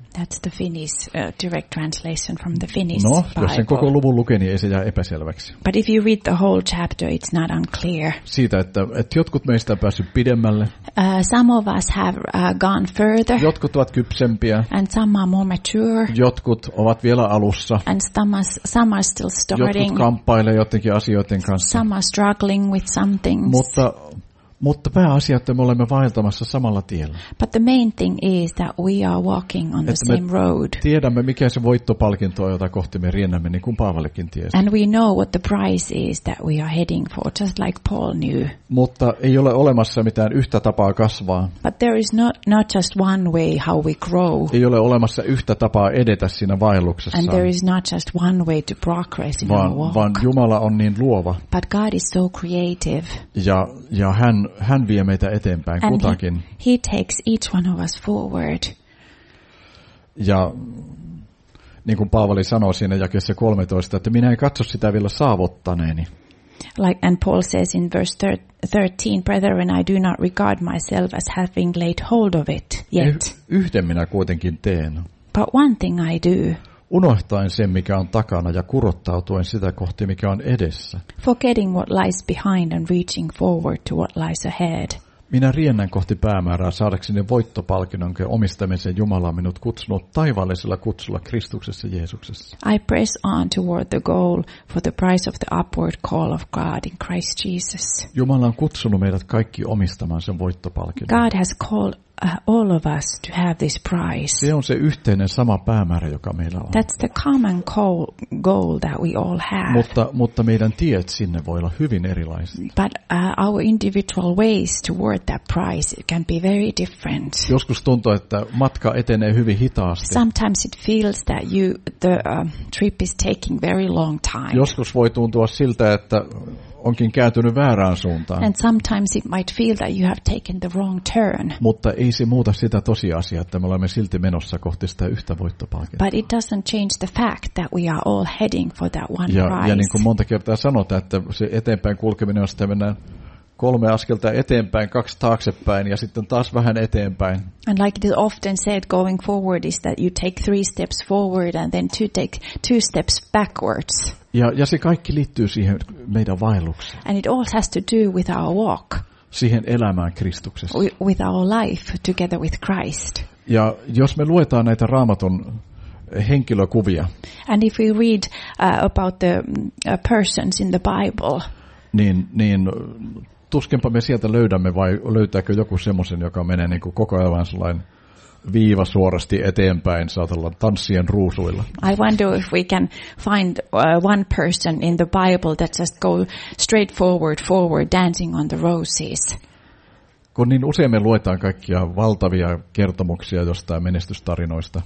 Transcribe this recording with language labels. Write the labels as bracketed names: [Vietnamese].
[English] That's the Finnish direct translation from the Finnish Bible. [Finnish] Jos sen koko luvun lukee, niin ei se jää epäselväksi. [English] But if you read the whole chapter, it's not unclear. [Finnish] Siitä, että jotkut meistä on päässyt pidemmälle. [English] Some of us have gone further. [Finnish] Jotkut ovat kypsempiä. [English] And some are more mature. [Finnish] Jotkut ovat vielä alussa. [English] And some are still starting. [Finnish] Jotkut kamppailevat jotenkin asioiden kanssa. [English] Some are struggling with some things. [Finnish] Mutta pääasia, että me olemme vaeltamassa samalla tiellä. [English] But the main thing is that we are walking on [Finnish] että [English] the same road. [Finnish] Tiedämme, mikä se voittopalkinto on, jota kohti me riennämme, niin kuin Paavallekin tiesi. [English] And we know what the prize is that we are heading for, just like Paul knew. [Finnish] Mutta ei ole olemassa mitään yhtä tapaa kasvaa. [English] But there is not just one way how we grow. [Finnish] Ei ole olemassa yhtä tapaa edetä siinä vaelluksessa. [English] And there is not just one way to progress in our walk. [Finnish] Vaan Jumala on niin luova. [English] But God is so creative. [Finnish] Ja hän hän vie meitä eteenpäin [English] and [Finnish] kutakin. [English] He takes each one of us forward. [Finnish] Ja niin kuin Paavali sanoi siinä jakeessa 13, että minä en katso sitä vielä saavuttaneeni. [English] Like, and Paul says in verse 13, brethren, I do not regard myself as having laid hold of it yet. [Finnish] Yhden minä kuitenkin teen. [English] But one thing I do. [Finnish] Unohtaen sen, mikä on takana, ja kurottautuen sitä kohti, mikä on edessä. [English] Forgetting what lies behind and reaching forward to what lies ahead. [Finnish] Minä riennän kohti päämäärää saadakseni voittopalkinnon, jonka omistamisen Jumala on minut kutsunut taivaallisella kutsulla Kristuksessa Jeesuksessa. [English] I press on toward the goal for the price of the upward call of God in Christ Jesus. [Finnish] Jumala on kutsunut meidät kaikki omistamaan sen voittopalkinnon. [English] God has called all of us to have this prize. [Finnish] Se on se yhteinen sama päämäärä, joka meillä on. [English] That's the common goal that we all have. [Finnish] Mutta meidän tiet sinne voi olla hyvin erilaiset. [English] But our individual ways toward that prize can be very different. [Finnish] Joskus tuntuu, että matka etenee hyvin hitaasti. [English] Sometimes it feels that the trip is taking very long time. [Finnish] Joskus voi tuntua siltä, että onkin kääntynyt väärään suuntaan. [English] And sometimes it might feel that you have taken the wrong turn. [Finnish] Mutta ei se muuta sitä tosiasiaa, että me olemme silti menossa kohti sitä yhtä voittopalkintoa. [English] But it doesn't change the fact that we are all heading for that one prize. [Finnish] Ja niin kuin monta kertaa sanotaan, että se eteenpäin kulkeminen on sitä, mennään 3 askelta eteenpäin, 2 taaksepäin ja sitten taas vähän eteenpäin. [English] And like it is often said, going forward is that you take 3 steps forward and then take 2 steps backwards. [Finnish] Ja se kaikki liittyy siihen meidän vaellukseen. [English] And it all has to do with our walk. [Finnish] Siihen elämään Kristuksessa. [English] With our life together with Christ. [Finnish] Ja jos me luetaan näitä Raamatun henkilökuvia. [English] And if we read about the persons in the Bible. [Finnish] Niin tuskinpa me sieltä löydämme, vai löytääkö joku semmoisen, joka menee niin kuin koko ajan sellainen viiva suorasti eteenpäin, saatellaan tanssien ruusuilla. [English] I wonder if we can find one person in the Bible that just go straight forward, dancing on the roses. [Finnish] Kun niin usein me luetaan kaikkia valtavia kertomuksia jostain menestystarinoista.